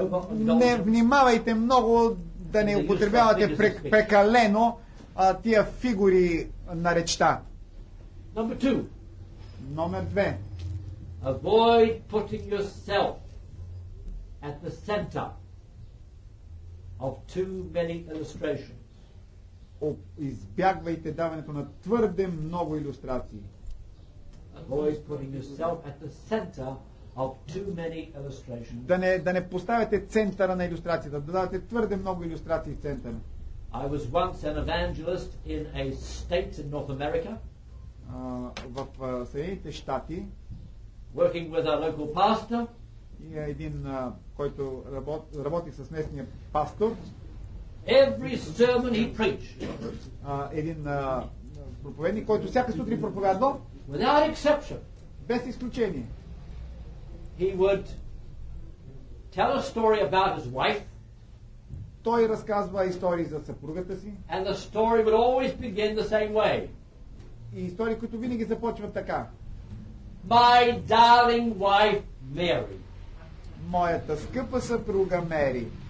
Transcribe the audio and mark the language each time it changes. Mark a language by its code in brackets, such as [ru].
[bg] Не внимавайте много да не употребявате прекалено тия фигури на речта. [en] Number two. [bg] Номер две. [en] Avoid putting yourself at the center of too many illustrations. [bg] Избягвайте даването на твърде много илюстрации. [en] Avoid putting yourself at the center of too many illustrations. [bg] Да не поставяте центъра на илюстрацията, да давате твърде много илюстрации в центъра. [en] I was once an evangelist in a state in North America. [bg] В Съединените щати, [en] working with our local pastor, [bg] има един, който работи с местния пастор. [en] Every sermon he preached, [bg] един проповедник, който всяка сутрин проповядва, [en] without exception, [bg] без изключение, [en] he would tell a story about his wife. [bg] Той разказва истории за съпругата си. [en] And the story would always begin the same way. [bg] И истории, които винаги започват така. [en] My darling wife Mary. [bg] Моята скъпа съпруга Мери.